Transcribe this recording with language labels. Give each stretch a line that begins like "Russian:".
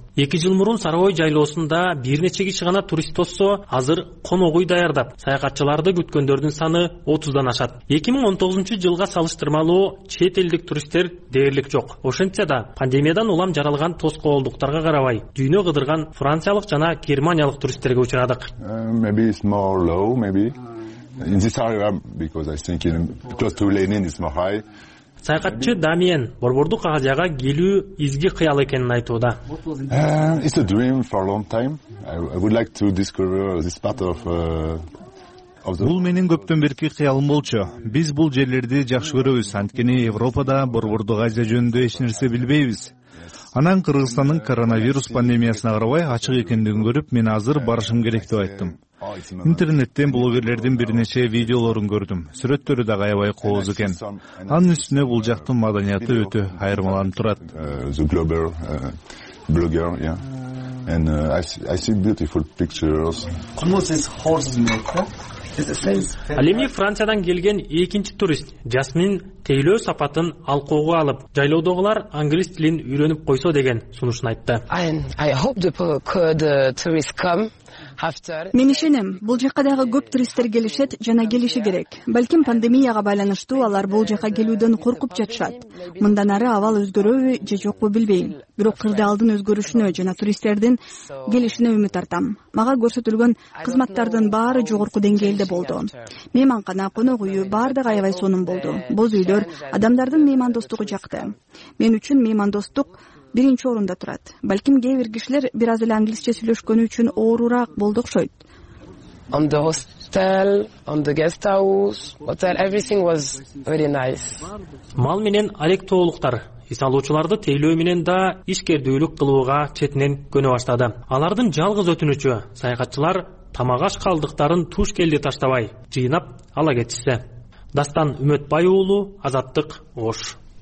Kyrgyz: 2 жыл мурун Сарыбай жайлоосунда бир нече киши гана турист болсо, азыр конок үй даярдап, саякатчыларды күткөндөрдүн саны 30 ашат. 2019 жылга салыштырмалуу чет элдик туристтер дээрлик жок. Ошентсе да, пандемиядан улам жаралган тоскоолдуктарга карабай, дүйнө кыдырган франциялык жана германиялык туристтерге учурадык.
English: Maybe it's more low, maybe. In this area, because I think because to Lenin is more high.
Kyrgyz: Саякатчы Дамиен борбордук Азияга келүү изги кыял экенин айтууда.
English: It's a dream for a long time. I would like to discover this part of the
Kyrgyz: Бул менин көптөн берки кыялым болчу. Биз бул жерлерди жакшы көрөбүз, анткени Европада борбордук Азия жөнүндө эч нерсе билбейбиз. Анан Кыргызстандын коронавирус пандемиясына карабай ачык экендигин көрүп, мен азыр барышым керек деп айттым. Интернеттен блогерлердин бир нече видеолорун көрдүм. Сүрөттөрү да аябай кооз экен. Анын үстүнө бул жактын маданияты өтө айырмаланып турат.
English: The global blogger, yeah. And I see beautiful pictures. Кумусис хорсуз мек.
Kyrgyz: Ал эми Франциядан келген экинчи турист Жасмин тейлөө сапатын алкоого алып, жайлоодогулар англис тилин үйрөнүп койсо деген сунушун айтты.
English: I hope the tourists come.
Kyrgyz: Мен ишенем, бул жакка дагы көп туристтер келишет жана келиши керек. Балким пандемияга байланыштуу алар бул жакка келүүдөн коркуп жатышат. Мындан ары абал өзгөрөбү же жокпу билбейм. Бирок кырдаалдын өзгөрүшүнө жана туристтердин келишине үмүт артам. Мага көрсөтүлгөн кызматтардын баары жогорку деңгээлде болду. Мейманкана, конок үйү баардыгы аябай сонун болду. Боз үйлөр адамдардын меймандостугу жакты. Мен үчүн меймандостук биринчи орунда турат. Балким кээ бир кишилер бир аз эле англисче сүйлөшкөнү үчүн оорураак болду окшойт.
English: On the hostel, on the guest house, hotel, everything was very nice.
Kyrgyz: Мал менен алектоолуктар эс алуучуларды тейлөө менен да ишкердүүлүк кылууга четинен көнө баштады. Алардын жалгыз өтүнүчү саякатчылар тамак аш калдыктарын туш келди таштабай, жыйнап ала кетишсе. Дастан Үмөтбай уулу, Азаттык, Ош.